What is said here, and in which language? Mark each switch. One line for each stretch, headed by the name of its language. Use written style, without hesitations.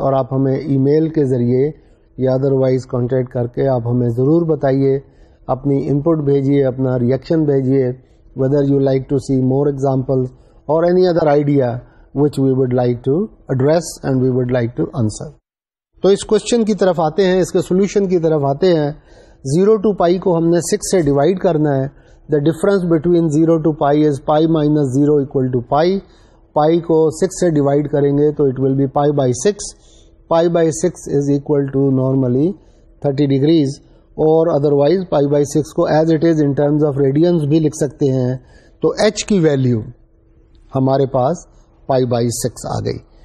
Urdu: اور آپ ہمیں ای میل کے ذریعے یا ادر وائز کانٹیکٹ کر کے آپ ہمیں ضرور بتائیے, اپنی ان پٹ بھیجیے, اپنا ریئیکشن بھیجیے,
English: Whether you like to see more examples اور any other idea which we would like to address and we would like to answer.
Urdu: تو اس کوشچن کی طرف آتے ہیں, اس کے سولوشن کی طرف آتے ہیں. زیرو ٹو پائی کو ہم نے سکس سے ڈیوائڈ کرنا ہے.
English: The difference between zero to pi is pi minus zero equal to pi.
Urdu: پائی کو سکس سے ڈیوائڈ کریں گے تو
English: It will be pi by six. Pi by six is equal to normally 30 degrees,
Urdu: اور other wise pi by six کو as it is in terms of readiness بھی لکھ سکتے ہیں. تو ایچ کی ویلیو ہمارے پاس پائی بائی سکس آ گئی.